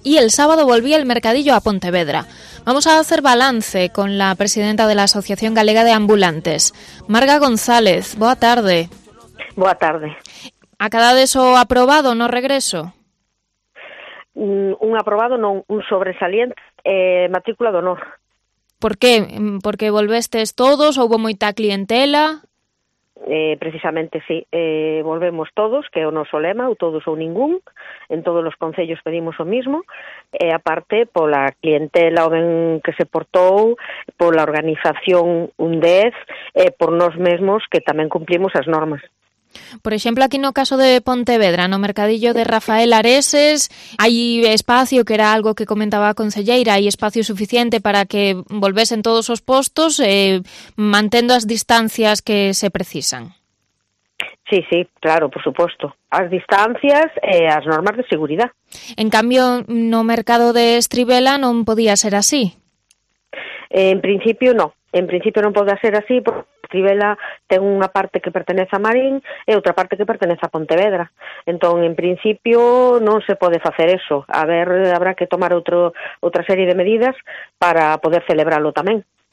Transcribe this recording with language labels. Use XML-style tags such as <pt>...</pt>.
<es>Y el sábado volví el mercadillo a Pontevedra. Vamos a hacer balance con la presidenta de la Asociación Galega de Ambulantes, Marga González.</es> <gl>Boa tarde. Boa tarde.</gl> <es>¿Ha quedado eso aprobado, no regreso?</es> <gl>Un aprobado, non, un sobresaliente, matrícula de honor.</gl> <es>¿Por qué?</es> <gl>¿Porque volvestes todos ou hubo moita clientela? Precisamente, sí. Volvemos todos, que é o noso lema, ou todos ou ningún. En todos os concellos pedimos o mismo. Aparte, pola clientela ben que se portou, pola organización UNDEF, por nós mesmos que tamén cumplimos as normas. Por exemplo, aquí no caso de Pontevedra, no mercadillo de Rafael Areses, hai espacio, que era algo que comentaba a concelleira, hai espacio suficiente para que volvesen todos os postos, mantendo as distancias que se precisan. Sí, sí, claro, por suposto. As distancias e as normas de seguridade. En cambio, no mercado de Estribela non podía ser así. En principio non poda ser así, porque Estribela ten unha parte que pertenece a Marín e outra parte que pertenece a Pontevedra. Entón, en principio, non se pode facer eso. Habrá que tomar outra serie de medidas para poder celebrarlo tamén.</gl>